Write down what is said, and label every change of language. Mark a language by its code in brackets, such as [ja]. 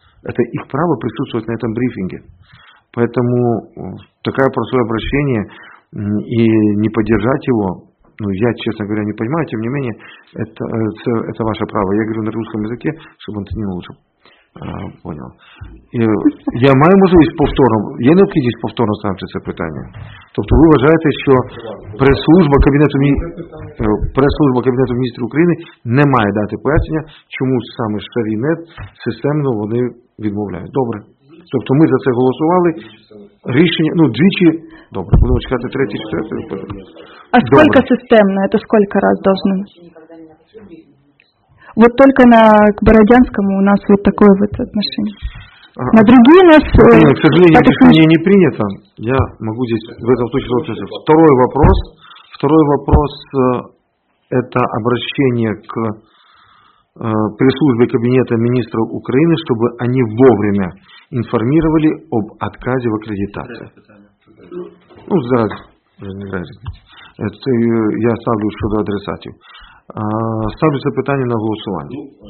[ru] Это их право присутствовать на этом брифинге. Поэтому такое простое обращение и не поддержать его, ну я, честно говоря, не понимаю, тем не менее, это ваше право. Я говорю на русском языке, чтобы он это не лучше понял. [uk] Я маю можливість повторно, є необхідність повторно ставити це питання. Тобто ви вважаєте, що прес-служба Кабінету міністрів України не має дати пояснення, чому саме Шарінет системно вони відмовляють. Добре. Тобто ми за це голосували, рішення, ну двічі, добре, будемо чекати третій, четвертий. А скільки системно, це скільки раз повинно? [ru] Вот только на Бородянскому у нас вот такое вот отношение. На другие у нас... К сожалению, решение не принято. Я могу здесь в этом случае... Вопрос. Второй вопрос это обращение к пресс-службе Кабинета министров Украины, чтобы они вовремя информировали об отказе в аккредитации. Ну, здравствуйте. Это я ставлю еще до адресатив. [uk] Ставлю це питання на голосування.